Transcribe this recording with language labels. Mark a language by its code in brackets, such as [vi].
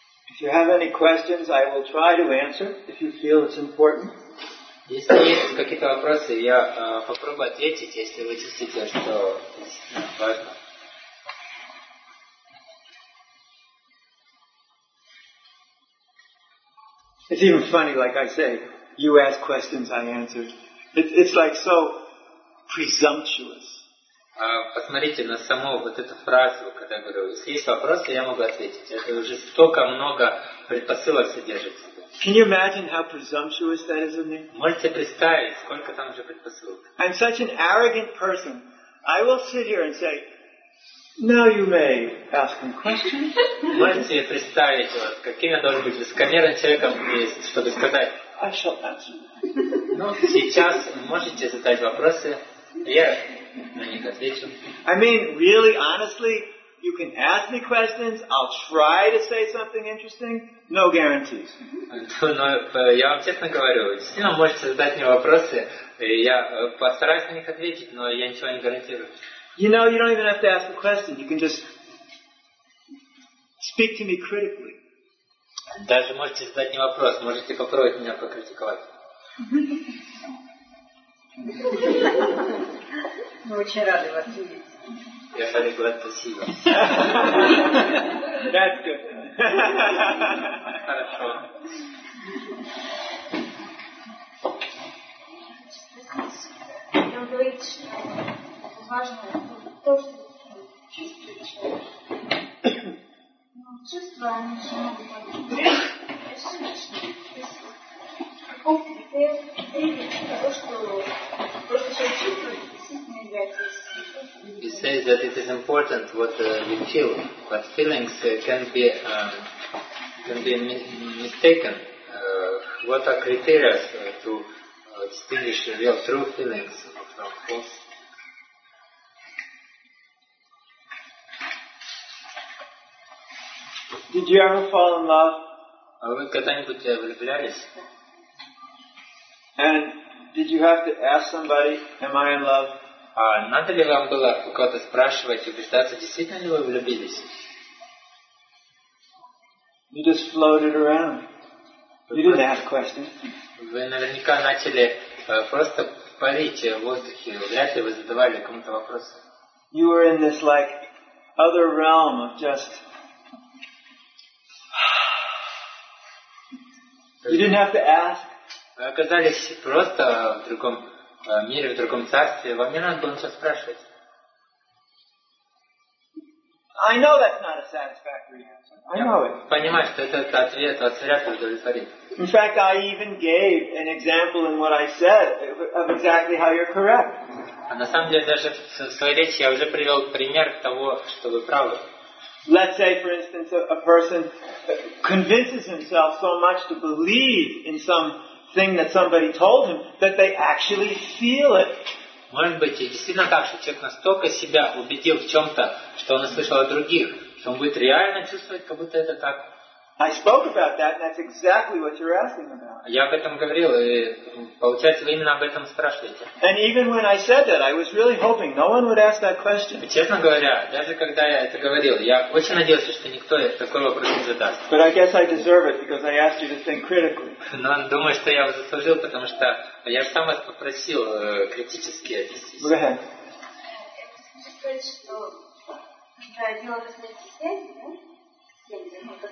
[en] If you have any questions, I will try to answer if you feel it's important. [ru] Если есть какие-то вопросы, я попробую ответить, если вы чувствуете, что важно. [en] It's even funny, like I say, you ask questions, I answer. It's like so presumptuous. [ru] Посмотрите на саму вот эту фразу, когда я говорю, если есть вопросы, я могу ответить. Это уже столько много предпосылок содержится. [en] Can you imagine how presumptuous that is of me? [ru] Можете представить, сколько там уже предпосылок? [en] I'm such an arrogant person. I will sit here and say, now you may ask him questions. [ru] Можете представить, вот, каким я должен быть высокомерным человеком, есть, чтобы сказать? [en] I shall answer. [ru] Ну, сейчас можете задать вопросы, я на них отвечу. [en] I mean, really, honestly, you can ask me questions, I'll try to say something interesting, no guarantees. [ru] Но я вам честно говорю, действительно можете задать мне вопросы, я постараюсь на них ответить, но я ничего не гарантирую. [en] You know, you don't even have to ask a question. You can just speak to me critically. [ru] Даже можете задать мне вопрос, можете попробовать меня покритиковать. Мы очень рады вас видеть. Я очень рад вас видеть. [en] That's good. [ru] Хорошо. То, что чувствует человек. Но чувства, они же могут быть ошибочными. То есть, каков критерий того, что просто человек чувствует, действительно является ошибочным. [en] He says that it is important what you feel, but feelings can be mistaken. What are criteria to distinguish the real true feelings from false? Did you ever fall in love? [ru] А вы когда-нибудь влюблялись? [en] And did you have to ask somebody, am I in love? [ru] А надо ли вам было у кого-то спрашивать, убеждаться, действительно ли вы влюбились? [en] You just floated around. You didn't ask questions. [ru] Вы наверняка начали просто парить в воздухе, вряд ли вы задавали кому-то вопросы. [en] You were in this like other realm of just. You didn't have to ask. [ru] Вы оказались просто в другом мире, в другом царстве. Вам не надо было ничего спрашивать. [en] I know that's not a satisfactory answer. I know it. [ru] Понимаю, что этот ответ вас вряд ли удовлетворит. [en] In fact, I even gave an example in what I said of exactly how you're correct. [ru] А на самом деле даже в своей речи я уже привел пример того, что вы правы. [en] Let's say, for instance, a person convinces himself so much to believe in something that somebody told him that they actually feel it. [ru] Может быть, действительно так, что человек настолько себя убедил в чем-то, что он услышал от других, что он будет реально чувствовать, как будто это так. [en] I spoke about that, and that's exactly what you're asking about. [ru] Я об этом говорил, и получается, вы именно об этом спрашиваете. [en] And even when I said that, I was really hoping no one would ask that question. [ru] Честно говоря, даже когда я это говорил, я очень надеялся, что никто такой вопрос не задаст. [en] But I guess I deserve it because I asked you to think critically. [ru] Но думаю, что я заслужил, потому что я же сам вас попросил критически отнестись. [en] Go ahead. [ru] Я хочу сказать, что когда дело касается